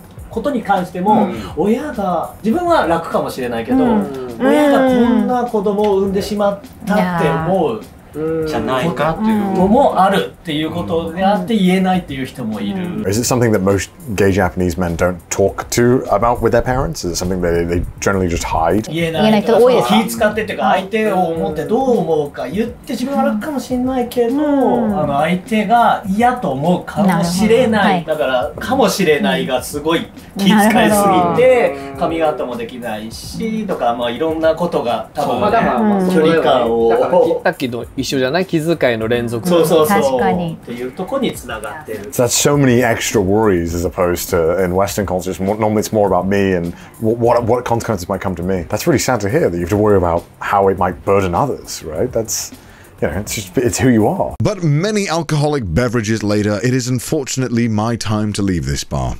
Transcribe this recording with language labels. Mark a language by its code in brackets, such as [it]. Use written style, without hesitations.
[ja] ことに関しても、うん、親が自分は楽かもしれないけど、うん、親がこんな子供を産んでしまったって思うじゃないかっていうのもあるっていうことであって言えないっていう人もいる。 [en] Is it something that most gay Japanese men don't talk to about with their parents? Is it something that they generally just hide? [ja] 言えない人多いです。気使ってっていうか、相手を思ってどう思うか言って自分は楽かもしれないけど、あの、相手が嫌と思うかもしれない。だから、かもしれないがすごい気使いすぎて、髪型もできないし、とか、まあいろんなことが多分、ね、距離感を。だから切ったけど一緒じゃない気遣いの連続。そうそうそう。確かに。っていうところにつながってる。 [en] So that's so many extra worries as opposed to in Western cultures. Normally it's more about me and what consequences might come to me. That's really sad to hear that you have to worry about how it might burden others, right? That's, you know, it's just, it's who you are. But many alcoholic beverages later, it is unfortunately my time to leave this bar.